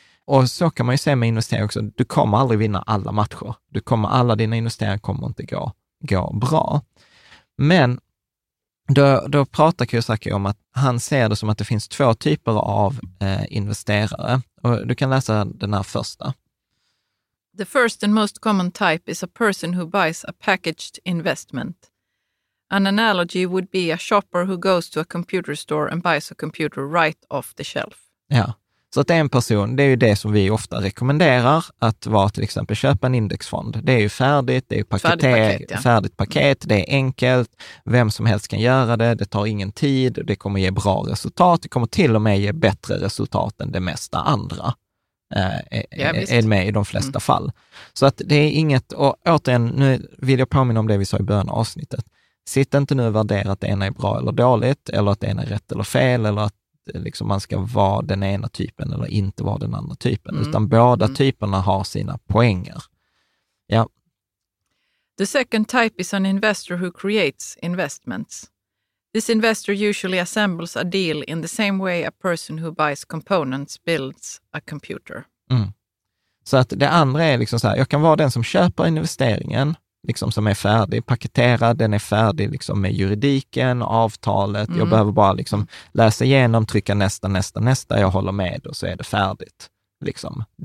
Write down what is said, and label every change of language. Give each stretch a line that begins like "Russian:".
Swedish: Och så kan man ju säga med investeringar också, du kommer aldrig vinna alla matcher, alla dina investeringar kommer inte gå bra. Men då pratar Kiyosaki om att han ser det som att det finns två typer av investerare, och du kan läsa den här första.
English: The first and most common type is a person who buys a packaged investment. An analogy would be a shopper who goes to a computer store and buys a computer right off the shelf.
Swedish: Ja, så att det är en person, det är ju det som vi ofta rekommenderar, att vara till exempel köpa en indexfond. Det är ju färdigt, det är ju färdigt paket, det är enkelt, vem som helst kan göra det, det tar ingen tid, det kommer ge bra resultat, det kommer till och med ge bättre resultat än det mesta andra. Är med i de flesta fall. Så att det är inget, och återigen, nu vill jag påminna om det vi sa i början av avsnittet. Sitt inte nu och värdera att det ena är bra eller dåligt, eller att det ena är rätt eller fel, eller att liksom man ska vara den ena typen eller inte vara den andra typen. Mm. Utan båda typerna har sina poänger. Ja.
English: The second type is an investor who creates investments. This investor usually assembles a deal in the same way a person who buys components builds a computer. Mm.
Swedish: Så att det andra är liksom så här, jag kan vara den som köper investeringen, liksom som är färdig, paketerad, den är färdig liksom med juridiken, avtalet. Mm. Jag behöver bara liksom läsa igenom, trycka nästa, jag håller med och så är det färdigt. Liksom.